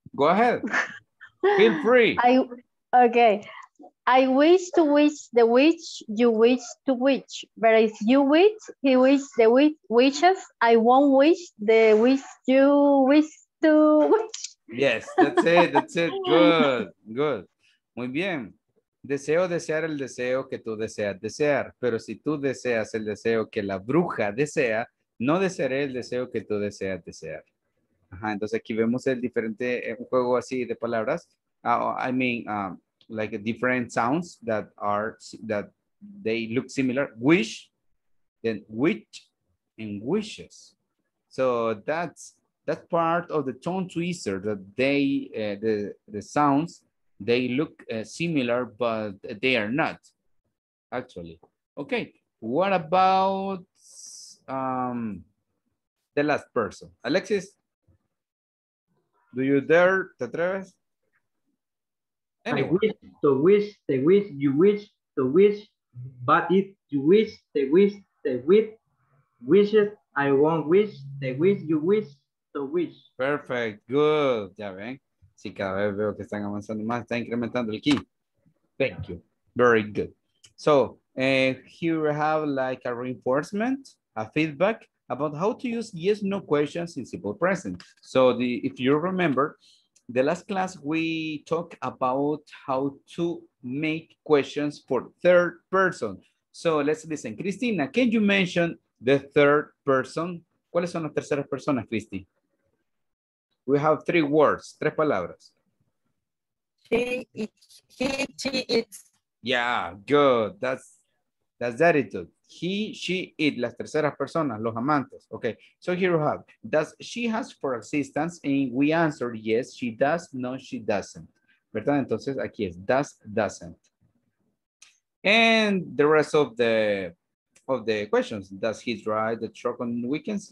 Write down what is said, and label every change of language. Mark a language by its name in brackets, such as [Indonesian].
[English] Go ahead. Feel free. Okay, I wish to wish the wish you wish to wish, but if you wish, he wish the wishes, I won't wish the wish you wish to wish. Yes, that's it, good, good. [Spanish] Muy bien, deseo desear el deseo que tú deseas desear, pero si tú deseas el deseo que la bruja desea, no desearé el deseo que tú deseas desear. Ajá, entonces aquí vemos el diferente, un juego así de palabras. [English] I mean, like different sounds that are, that they look similar, wish, then which, and wishes. So that's part of the tone twister, that they, the sounds, they look similar, but they are not, actually. Okay, what about the last person? Alexis, do you dare, [Spanish] te atreves? [English] Anyway. I wish to wish the wish you wish to wish, but if you wish the wish the wish wishes, I won't wish the wish you wish to wish. Perfect, good. [Spanish] Ya ven, si cada vez veo que están avanzando más, está incrementando el key. [English] Thank you, very good. So, here we have like a reinforcement, a feedback about how to use yes, no questions in simple present. So, the if you remember, the last class, we talked about how to make questions for third person. So let's listen. Cristina, can you mention the third person? [Spanish] ¿Cuáles son las terceras personas, Cristi? [English] We have three words, [Spanish] tres palabras. [English] He, it. Yeah, good. That's the attitude. He, she, it, [Spanish] las terceras personas, los amantes. [English] Okay, so here we have, does she ask for assistance? And we answer yes, she does, no, she doesn't. ¿Verdad? [Spanish] Entonces aquí es, [English] does, doesn't. And the rest of the questions, does he drive the truck on weekends?